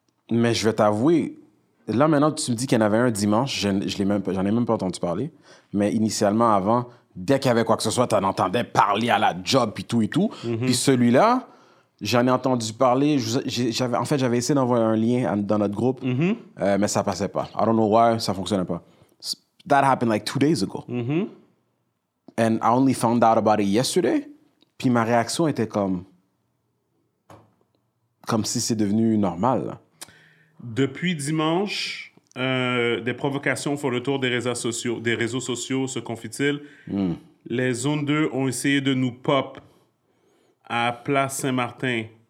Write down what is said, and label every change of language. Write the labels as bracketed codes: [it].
[fr] Mais je vais t'avouer, là maintenant, tu me dis qu'il y en avait un dimanche, j'en ai même pas entendu parler. Mais initialement, avant, dès qu'il y avait quoi que ce soit, t'en entendais parler à la job puis tout et tout. Mm-hmm. Puis celui-là, j'en ai entendu parler. J'avais essayé d'envoyer un lien dans notre groupe, mm-hmm, mais ça passait pas. [en] I don't know why, [fr] ça fonctionnait pas. [en] That happened like 2 days ago. Mm-hmm. And I only found out about it yesterday. [fr] Puis ma réaction était comme si c'est devenu normal. Depuis dimanche, des provocations font le tour des réseaux sociaux, se confient-ils. Mm. Les zones 2 ont essayé de nous pop à Place Saint-Martin.